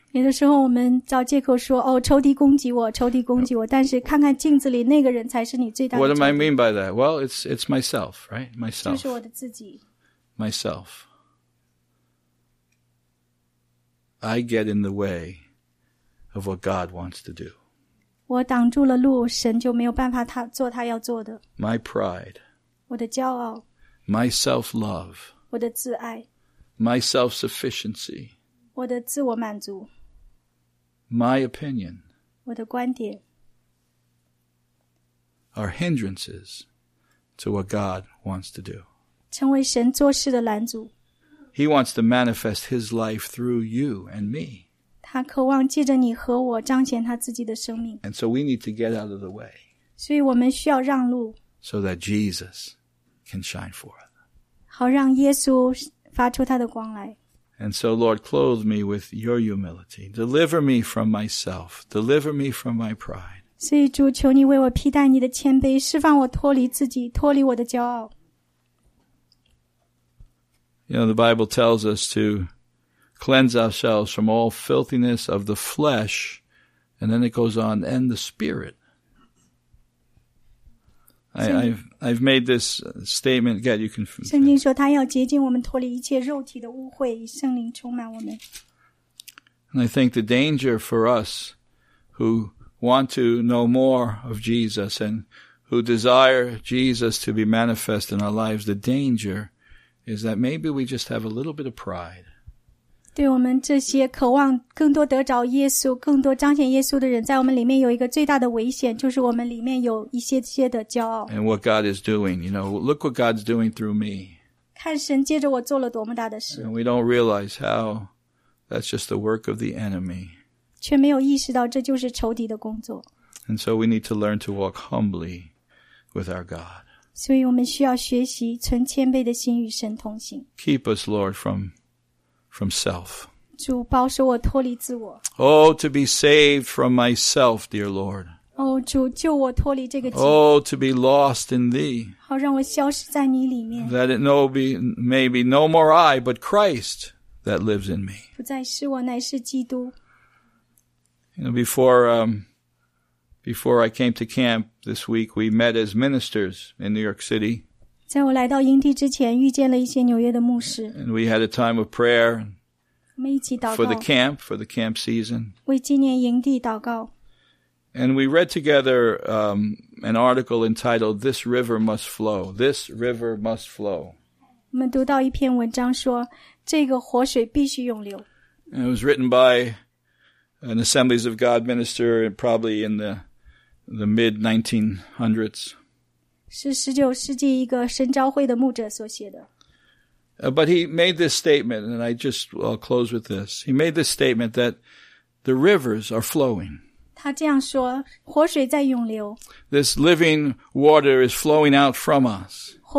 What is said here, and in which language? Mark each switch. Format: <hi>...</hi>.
<zh>有的时候我们找借口说，哦，仇敌攻击我，仇敌攻击我。但是看看镜子里那个人才是你最大的仇敌。</zh> <en>What do I mean by that? Well, it's myself, right? Myself.</en> <zh>就是我的自己。</zh> <en>Myself. I get in the way of what God wants to do.</en> <zh>我挡住了路，神就没有办法他做他要做的。</zh> <en>My pride.</en> <zh>我的骄傲。</zh> <en>My self-love.</en> <zh>我的自爱。</zh> <en>My self-sufficiency.</en> <zh>我的自我满足。</zh> <en>My opinion.</en> <zh>我的观点。</zh> <en>Are hindrances to what God wants to do.</en> <zh>成为神做事的拦阻。</zh> <en>He wants to manifest His life through you and me.</en> <zh>他渴望借着你和我彰显他自己的生命。</zh> <en>And so we need to get out of the way.</en> <zh>所以我们需要让路。</zh> <en>So that Jesus can shine forth.</en> <zh>好让耶稣发出他的光来。</zh> <en>And so, Lord, clothe me with your humility. Deliver me from myself. Deliver me from my pride.</en> <zh>所以主，求你为我披戴你的谦卑，释放我脱离自己，脱离我的骄傲。</zh> <en>You know, the Bible tells us to cleanse ourselves from all filthiness of the flesh, and then it goes on, and the spirit. I've made this statement. Yeah, you can.</en> <zh>圣经说他要洁净我们，脱离一切肉体的污秽，以圣灵充满我们。</zh> <en>And I think the danger for us who want to know more of Jesus and who desire Jesus to be manifest in our lives, the danger is that maybe we just have a little bit of pride.</en> <zh>对我们这些渴望更多得着耶稣、更多彰显耶稣的人，在我们里面有一个最大的危险，就是我们里面有一些些的骄傲。</zh> <en>And what God is doing, you know, look what God's doing through me.</en> <zh>看神借着我做了多么大的事。</zh> <en>And we don't realize how that's just the work of the enemy.</en> <zh>却没有意识到这就是仇敌的工作。</zh> <en>And so we need to learn to walk humbly with our God.</en> <zh>所以我们需要学习存谦卑的心与神同行。</zh> <en>Keep us, Lord, from self.</en> <zh>主保守我脱离自我。</zh> <en>Oh, to be saved from myself, dear Lord.</en> <zh>Oh, 主救我脱离这个。</zh> <en>Oh, to be lost in thee.</en> <zh>好让我消失在你里面。</zh> <en>That it may be no more I, but Christ that lives in me.</en> <zh>不再是我，乃是基督。</zh> <en>You know, before I came to camp this week, we met as ministers in New York City.</en> <zh>在我来到营地之前，遇见了一些纽约的牧师。</zh> <en>And we had a time of prayer.</en> <zh>我们一起祷告。</zh> <en>For the camp season.</en> <zh>为今年营地祷告。</zh> <en>And we read together, an article entitled, This River Must Flow. This River Must Flow.</en> <zh>我们读到一篇文章说，这个活水必须涌流。</zh> <en>And it was written by an Assemblies of God minister, probably in the mid-1900s.</en> <zh>是19世纪一个神召会的牧者所写的。</zh> <en>But he made this statement, and I'll close with this. He made this statement that the rivers are flowing.</en> <zh>他这样说, 活水在涌流,</zh> <en>this living water is flowing out from us.</en>